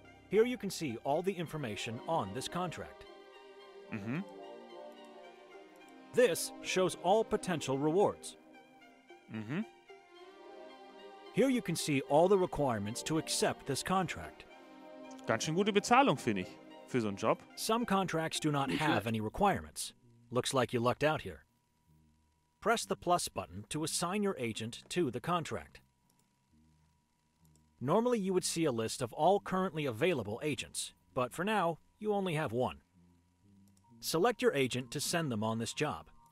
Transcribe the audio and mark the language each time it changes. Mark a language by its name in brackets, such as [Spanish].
[English] Here you can see all the information on this contract. Mm-hmm. This shows all potential rewards. Mm-hmm. Here you can see all the requirements to accept this contract. [German] Ganz schön gute Bezahlung, finde ich, für so einen Job. [English] Some contracts do not have any requirements. Looks like you lucked out here. Press the plus button to assign your agent to the contract. Normally you would see a list of all currently available agents, but for now, you only have one. Select your agent to send them on this job.